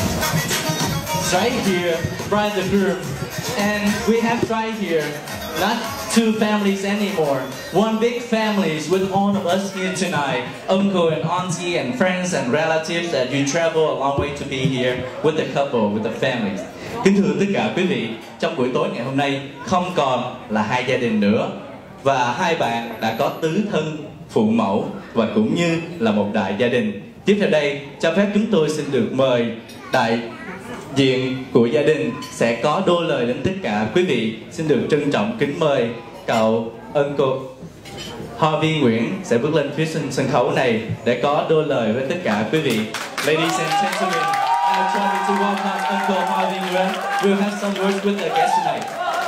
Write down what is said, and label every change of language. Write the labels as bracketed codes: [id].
[en] Right here, bride and groom, and we have right here, not two families anymore, one big family is with all of us here tonight, uncle and auntie and friends and relatives that you travel a long way to be here with the couple, with the family. [vi] Kính thưa tất cả quý vị, trong buổi tối ngày hôm nay không còn là hai gia đình nữa, và hai bạn đã có tứ thân phụ mẫu và cũng như là một đại gia đình. Tiếp theo đây, cho phép chúng tôi xin được mời đại diện của gia đình sẽ có đôi lời đến tất cả quý vị. Xin được trân trọng kính mời cậu uncle Harvey Nguyễn sẽ bước lên phía sân khấu này để có đôi lời với tất cả quý vị. [en] Ladies and gentlemen, I'm trying to welcome uncle Harvey Nguyễn. We'll have some words with the guest tonight.